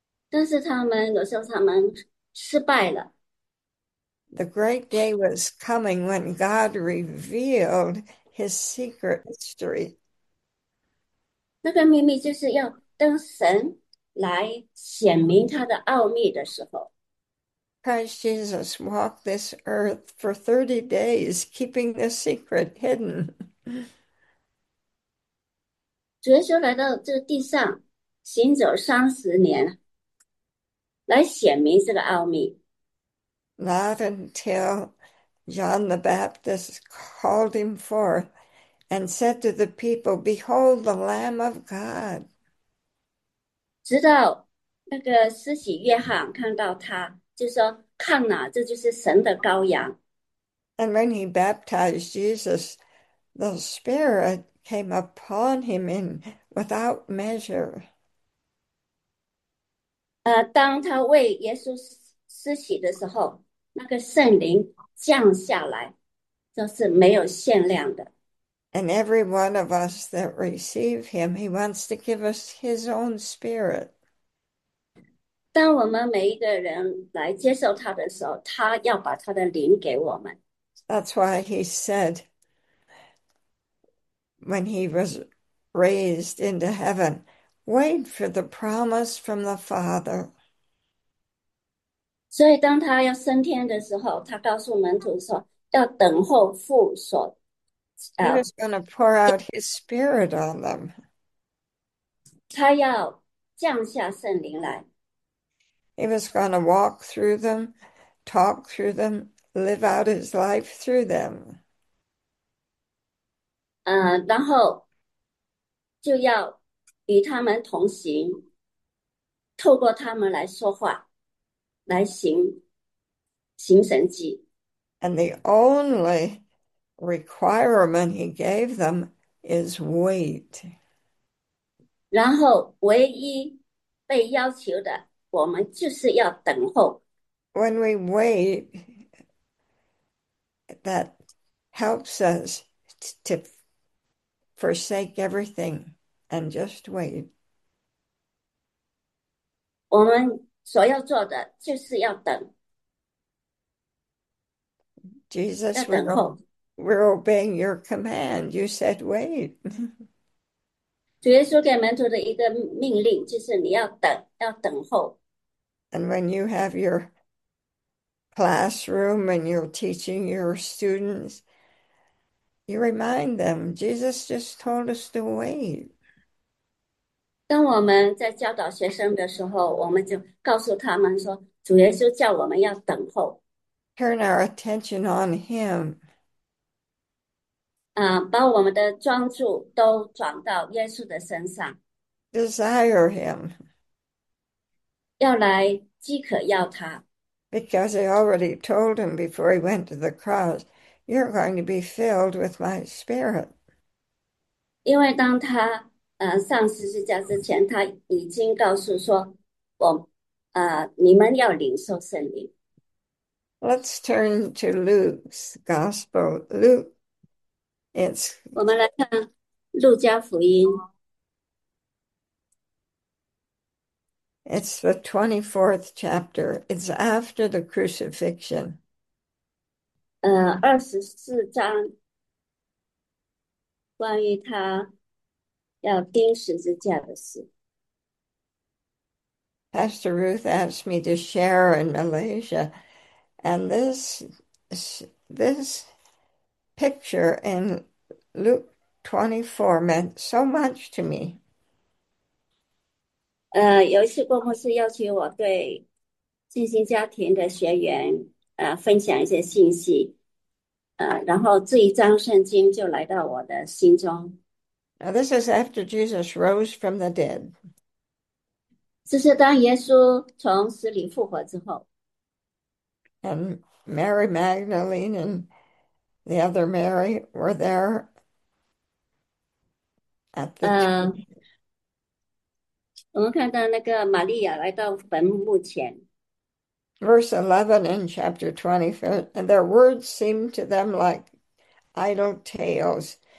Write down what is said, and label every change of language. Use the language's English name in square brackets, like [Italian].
[Chinese] 但是他们有时候他们失败了， [English] The great day was coming when God revealed his secret mystery. [Chinese] 那个秘密就是要登神。来显明他的奥秘的时候， [English] Christ Jesus walked this earth for 30 days, keeping the secret hidden. [Chinese] 主耶稣来到这个地上，行走30年，来显明这个奥秘。 [English] Not until John the Baptist called him forth and said to the people, Behold the Lamb of God. [Chinese] 直到那个施洗约翰看到他，就说：“看哪，这就是神的羔羊。 [English] And when he baptized Jesus, the Spirit came upon him in without measure. [Chinese] ”当他为耶稣施洗的时候，那个圣灵降下来，就是没有限量的。 [English] And every one of us that receive him, he wants to give us his own spirit. [Chinese] 当我们每一个人来接受他的时候，他要把他的灵给我们。 [English] That's why he said when he was raised into heaven, wait for the promise from the Father. [Chinese] 所以，当他要升天的时候，他告诉门徒说：“要等候父所， [English] He was going to pour out his spirit on them. [Chinese] 他要降下圣灵来。 [English] He was going to walk through them, talk through them, live out his life through them. [Chinese] ”然后就要与他们同行，透过他们来说话。来行神迹， [English] And the only requirement he gave them is wait. [Chinese] 然后唯一被要求的，我们就是要等候。 [English] When we wait, that helps us to forsake everything and just wait. [Chinese] 我们所要做的就是要等， [English] Jesus, [Chinese] 要等候。 [English] we're obeying your command. You said wait. [Chinese] 主耶稣给门徒的一个命令就是你要等，要等候。 [English] And when you have your classroom and you're teaching your students, you remind them, Jesus just told us to wait. [Chinese] 当我们在教导学生的时候，我们就告诉他们说：“主耶稣叫我们要等候。 [English] Turn our attention on him. [Chinese] ”把我们的专注都转到耶稣的身上， [English] Desire him. [Chinese] 要来饥渴要他。 [English] Because I already told him before he went to the cross, you're going to be filled with my spirit. [Chinese] 因为当他上十字架之前，他已经告诉说：“你们要领受圣灵。 [English] Let's turn to Luke's Gospel. Luke, it's [Chinese] ”我们来看《路加福音 [English] The 24th chapter. It's after the crucifixion. [Chinese] 》24章，关于他要钉十字架的事。 [English] Pastor Ruth asked me to share in Malaysia. And this picture in Luke 24 meant so much to me. [Chinese] 有一次，郭牧师邀请我对进行家庭的学员分享一些信息，然后这一章圣经就来到我的心中。 [English] Now, this is after Jesus rose from the dead. [Chinese] 这是当耶稣从死里复活之后， [English] And Mary Magdalene and the other Mary were there at the tomb. [Chinese] 我们看到那个玛利亚来到坟墓前， [English] Verse 11 in chapter 25, and their words seemed to them like idle tales.